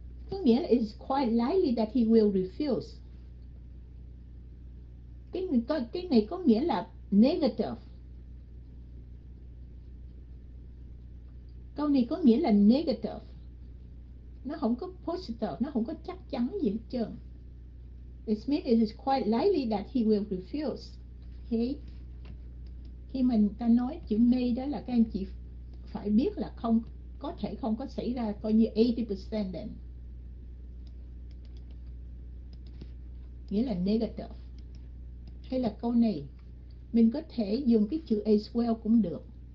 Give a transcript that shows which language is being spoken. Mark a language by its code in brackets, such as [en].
[vi] Có nghĩa là [en] it's quite likely that he will refuse. [vi] Cái này có nghĩa là negative. Câu này có nghĩa là negative. Nó không có positive, nó không có chắc chắn gì hết trơn. [en] It means it is quite likely that he will refuse. Okay. [vi] Khi mà người ta nói chữ may đó là các anh chị phải biết là không có thể không có xảy ra, coi như 80% then. Nghĩa là negative. Hay là câu này, mình có thể dùng cái chữ as well cũng được.